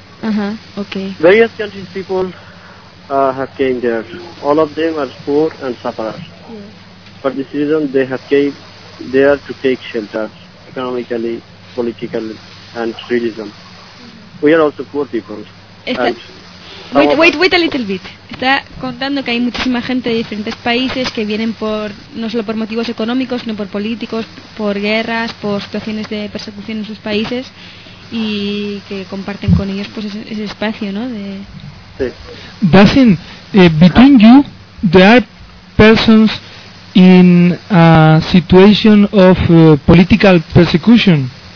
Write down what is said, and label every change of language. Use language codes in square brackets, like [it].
[en] Uh-huh. Okay. Various countries people have came there. All of them are poor and sufferers. For this reason they have came there to take shelter economically, politically and religion. We are also poor people. Wait a little bit. [es] Está contando que hay muchísima gente de diferentes países que vienen por no solo por motivos económicos, sino por políticos, por guerras, por situaciones de persecución en sus países y que comparten con ellos pues ese espacio, ¿no? De sí. [en] Dacin, between you, there are persons in a situation of political persecution.